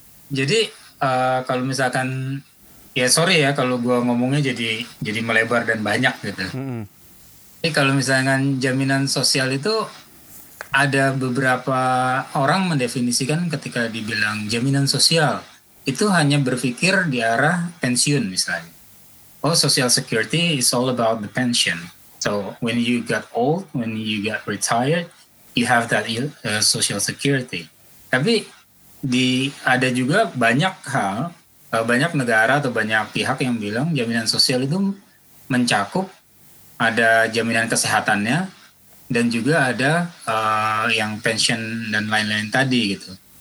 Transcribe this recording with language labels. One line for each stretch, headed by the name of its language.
Indonesian: Jadi kalau misalkan, ya sorry ya kalau gue ngomongnya jadi melebar dan banyak gitu. Tapi kalau misalkan jaminan sosial itu, ada beberapa orang mendefinisikan ketika dibilang jaminan sosial, itu hanya berpikir di arah pensiun misalnya.
English: Oh, social security is all about the pension. So when you got old, when you got retired, you have that social security.
Indonesian: Tapi ada juga banyak hal, banyak negara atau banyak pihak yang bilang jaminan sosial itu mencakup ada jaminan kesehatannya dan juga ada yang pension dan lain-lain tadi gitu.